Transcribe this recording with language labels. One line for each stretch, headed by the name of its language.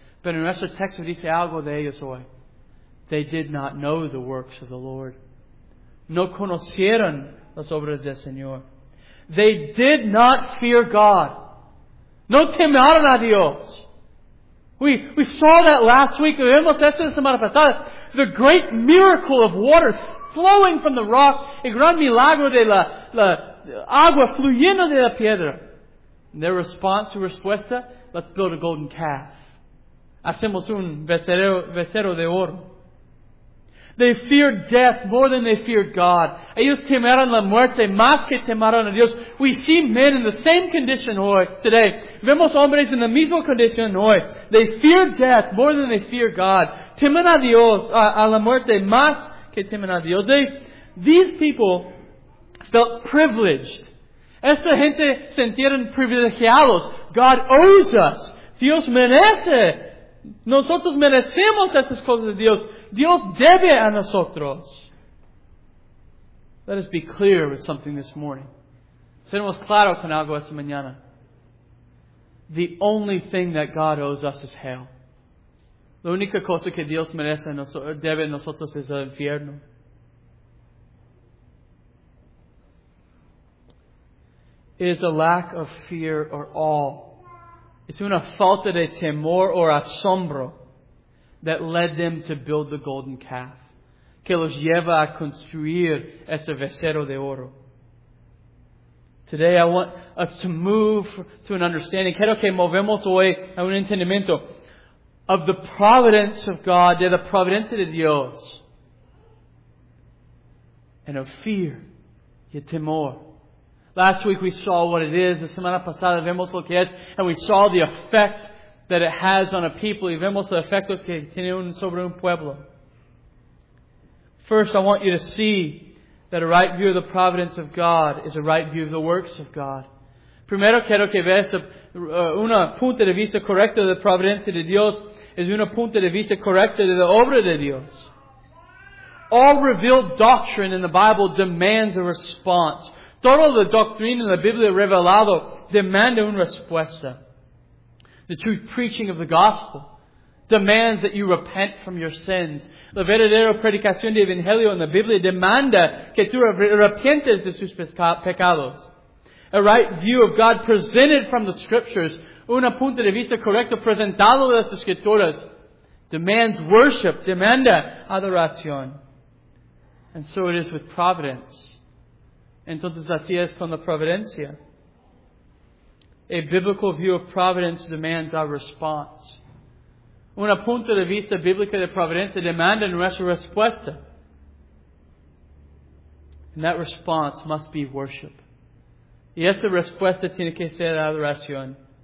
Spanish: Pero nuestro texto dice algo de ellos hoy.
English: They did not know the works of the Lord.
Spanish: No conocieron las obras del Señor.
English: They did not fear God.
Spanish: No temieron a Dios.
English: We saw that last week.
Spanish: Vimos esto la semana pasada.
English: The great miracle of water flowing from the rock.
Spanish: El gran milagro de la agua fluyendo de la piedra.
English: And their response,
Spanish: su respuesta,
English: let's build a golden calf.
Spanish: Hacemos un becerro de oro.
English: They feared death more than they feared God.
Spanish: Ellos temieron la muerte más que temieron a Dios.
English: We see men in the same condition hoy, today.
Spanish: Vemos hombres en la misma condición hoy.
English: They feared death more than they feared God.
Spanish: Temen a Dios, a la muerte más que temen a Dios.
English: These people felt privileged.
Spanish: Esta gente sentieron privilegiados.
English: God owes us.
Spanish: Dios merece. Nosotros merecemos estas cosas de Dios. Dios debe a nosotros.
English: Let us be clear with something this morning.
Spanish: Seremos claros con algo esta mañana.
English: The only thing that God owes us is hell.
Spanish: La única cosa que Dios merece debe a nosotros es el infierno.
English: It is a lack of fear or awe. It's
Spanish: una falta de temor
English: or
Spanish: asombro
English: that led them to build the golden calf.
Spanish: Que los lleva a construir este becerro de oro.
English: Today I want us to move to an understanding.
Spanish: Quiero que movemos hoy a un entendimiento
English: of the providence of God,
Spanish: de la providencia de Dios,
English: and of fear
Spanish: y temor.
English: Last week we saw what it is.
Spanish: La semana pasada vemos lo que es.
English: And we saw the effect that it has on a people.
Spanish: Y vemos el efecto que tiene sobre un pueblo.
English: First, I want you to see that a right view of the providence of God is a right view of the works of God.
Spanish: Primero quiero que veas una punta de vista correcta de la providencia de Dios es una punta de vista correcta de la obra de Dios.
English: All revealed doctrine in the Bible demands a response.
Spanish: Toda la doctrina en la Biblia revelado demanda una respuesta.
English: The true preaching of the gospel demands that you repent from your sins.
Spanish: La verdadera predicación del Evangelio en la Biblia demanda que tú arrepientes de tus pecados.
English: A right view of God presented from the Scriptures,
Spanish: una punta de vista correcta presentado de las Escrituras,
English: demands worship,
Spanish: demanda adoración.
English: And so it is with providence.
Spanish: Entonces así es con la providencia.
English: A biblical view of providence demands our response.
Spanish: Un punto de vista bíblico de providencia demanda nuestra respuesta.
English: And that response must be worship.
Spanish: Y esa respuesta tiene que ser adoración.